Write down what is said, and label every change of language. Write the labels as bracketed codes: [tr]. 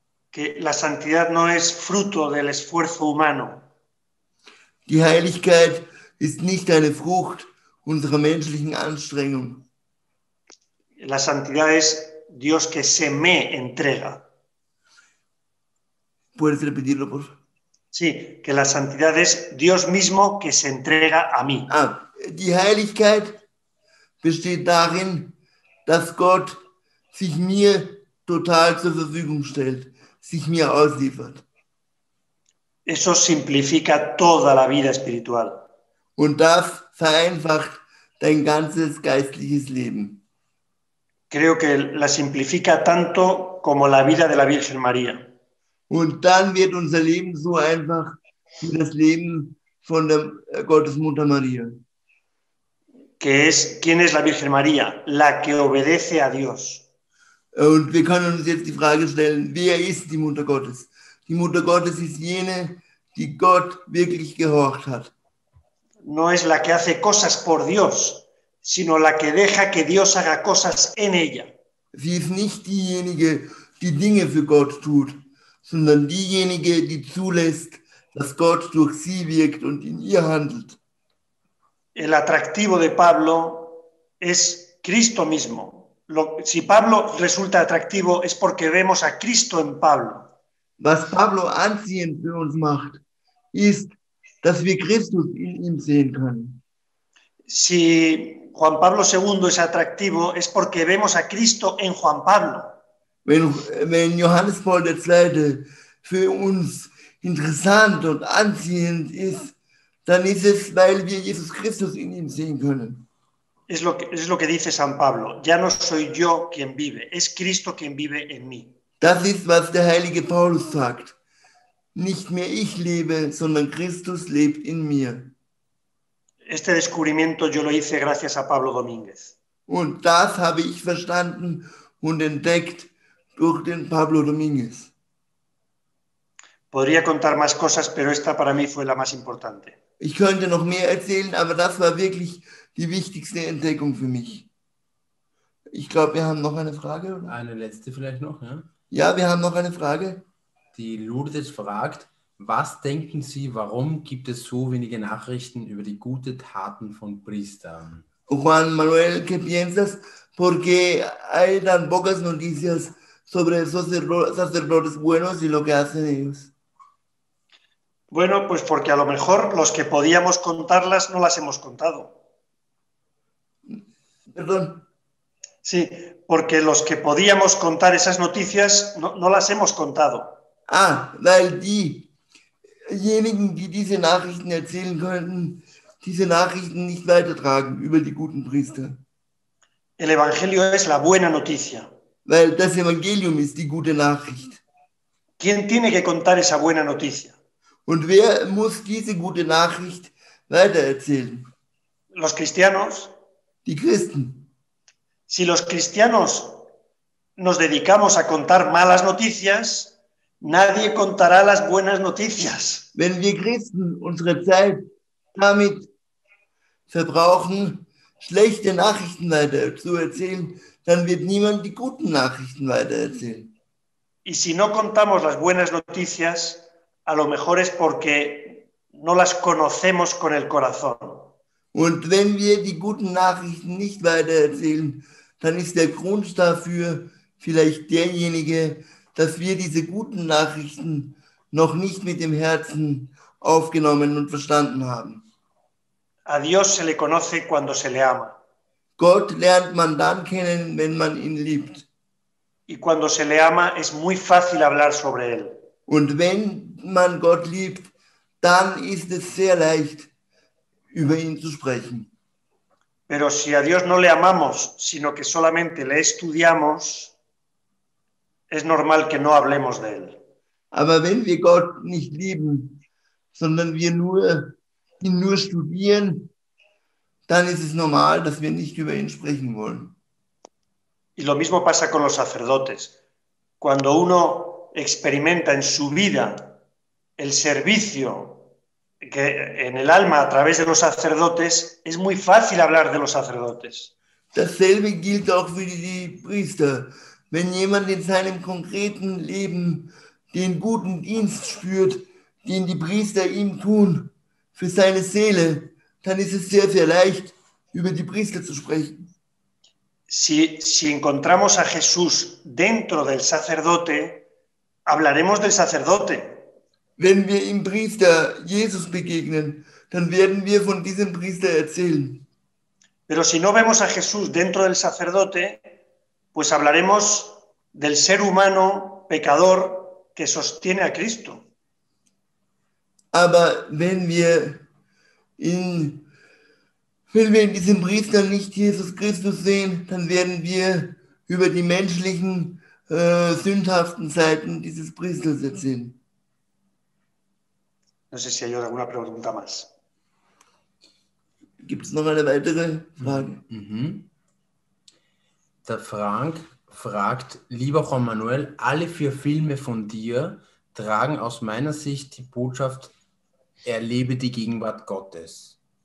[es] Que la santidad no es fruto del esfuerzo humano. [de] Die Heiligkeit ist nicht eine Frucht unserer menschlichen Anstrengung. [es] La santidad es Dios que se me entrega. ¿Puedes repetirlo, por favor? Sí, que la santidad es Dios mismo que se entrega a mí. [de] Ah, die Heiligkeit besteht darin, dass Gott sich mir total zur Verfügung stellt, sich mir ausliefert. [es] Eso simplifica toda la vida espiritual. [de] Und das vereinfacht dein ganzes geistliches Leben. [es] Creo que la simplifica tanto como la vida de la Virgen María. [de] Und dann wird unser Leben so einfach wie das Leben von der Gottesmutter Maria. [es] Que es, ¿quién es la Virgen María? La que obedece a Dios. [de] Und wir können uns jetzt die Frage stellen, wer ist die Mutter Gottes? Die Mutter Gottes ist jene, die Gott wirklich gehorcht hat. [es] No es la que hace cosas por Dios, sino la que deja que Dios haga cosas en ella. [de] Sie ist nicht diejenige, die Dinge für Gott tut, sondern diejenige, die zulässt, dass Gott durch sie wirkt und in ihr handelt. [es] El atractivo de Pablo es Cristo mismo. Si Pablo resulta atractivo, es porque vemos a Cristo en Pablo. [de] Was Pablo anziehend für uns macht, ist, dass wir Christus in ihm sehen können. [es] Si Juan Pablo II es atractivo, es porque vemos a Cristo en Juan Pablo. [de] Wenn Johannes Paul II für uns interessant und anziehend ist, dann ist es, weil wir Jesus Christus in ihm sehen können. [es] Es lo que dice San Pablo. Ya no soy yo quien vive, es Cristo quien vive en mí. [de] Das ist, was der heilige Paulus sagt. Nicht mehr ich lebe, sondern Christus lebt in mir. [es] Este descubrimiento yo lo hice gracias a Pablo Domínguez. [de] Und das habe ich verstanden und entdeckt durch den Pablo Domínguez. [es] Podría contar más cosas, pero esta para mí fue la más importante. [de] Ich könnte noch mehr erzählen, aber das war wirklich die wichtigste Entdeckung für mich. Ich glaube, wir haben noch eine Frage. Oder? Eine letzte vielleicht noch, ja? Ja, wir haben noch eine Frage. Die Lourdes fragt, was denken Sie, warum gibt es so wenige Nachrichten über die guten Taten von Priestern? [es] Juan Manuel, ¿qué piensas? ¿Por qué hay tan pocas noticias sobre esos sacerdotes buenos y lo que hacen ellos? Bueno, pues porque a lo mejor los que podíamos contarlas no las hemos contado. Perdón. Sí, porque los que podíamos contar esas noticias no las hemos contado. [de] Ah, weil diejenigen, die diese Nachrichten erzählen könnten, diese Nachrichten nicht weitertragen über die guten Priester. [es] El Evangelio es la buena noticia. [de] Weil das Evangelium ist die gute Nachricht. [es] ¿Quién tiene que contar esa buena noticia? [de] Und wer muss diese gute Nachricht weitererzählen? [es] Los cristianos. [de] Die Christen. [es] Si los cristianos nos dedicamos a contar malas noticias, nadie contará las buenas noticias. [de] Wenn wir Christen unsere Zeit damit verbrauchen, schlechte Nachrichten weiter zu erzählen, dann wird niemand die guten Nachrichten weitererzählen. [es] Y si no contamos las buenas noticias, a lo mejor es porque no las conocemos con el corazón. [de] Und wenn wir die guten Nachrichten nicht weitererzählen, dann ist der Grund dafür vielleicht derjenige, dass wir diese guten Nachrichten noch nicht mit dem Herzen aufgenommen und verstanden haben. [es] A Dios se le conoce cuando se le ama. [de] Gott lernt man dann kennen, wenn man ihn liebt. [es] Y cuando se le ama, es muy fácil hablar sobre él. [de] Und wenn man Gott liebt, dann ist es sehr leicht, über ihn zu sprechen. [es] Pero si a Dios no le amamos, sino que solamente le estudiamos, es normal que no hablemos de él. [de] Aber wenn wir Gott nicht lieben, sondern wir ihn nur studieren, dann ist es normal, dass wir nicht über ihn sprechen wollen. [es] Y lo mismo pasa con los sacerdotes. Cuando uno experimenta en su vida el servicio que en el alma a través de los sacerdotes, es muy fácil hablar de los sacerdotes. [de] Dasselbe gilt auch für die Priester. Wenn jemand in seinem konkreten Leben den guten Dienst spürt, den die Priester ihm tun für seine Seele, dann ist es sehr, sehr leicht, über die Priester zu sprechen. [es] Si encontramos a Jesús dentro del sacerdote, hablaremos del sacerdote. [de] Wenn wir im Priester Jesus begegnen, dann werden wir von diesem Priester erzählen. [es] Pero si no vemos a Jesús dentro del sacerdote, pues hablaremos del ser humano pecador que sostiene a Cristo. [de] Aber wenn wir in diesem Priester nicht Jesus Christus sehen, dann werden wir über die menschlichen, sündhaften Seiten dieses Priesters erzählen. [es] No sé si hay alguna pregunta más. [de] Gibt es noch eine weitere Frage? Mm-hmm. Der Frank fragt, lieber Juan Manuel, alle vier Filme von dir tragen aus meiner Sicht die Botschaft, erlebe die Gegenwart Gottes.